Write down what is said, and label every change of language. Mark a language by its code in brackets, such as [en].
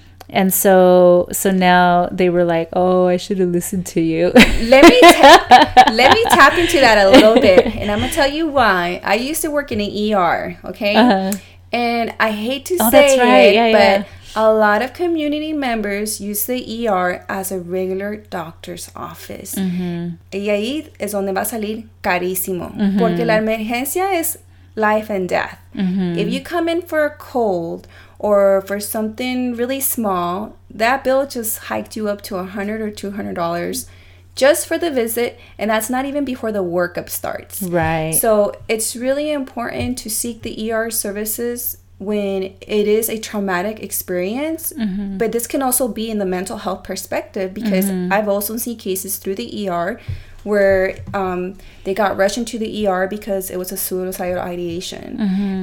[en] And so now they were like, oh, I should have listened to you. let me tap into that a little bit. And I'm going to tell you why. I used to work in an ER, okay? And I hate to a lot of community members use the ER as a regular doctor's office. [es] Y ahí es donde va a salir carísimo. Porque la emergencia es [en] life and death. If you come in for a cold or for something really small, that bill just hiked you up to $100 or $200 just for the visit, and that's not even before the workup starts. Right. So it's really important to seek the ER services when it is a traumatic experience, but this can also be in the mental health perspective because I've also seen cases through the ER where they got rushed into the ER because it was a suicidal ideation.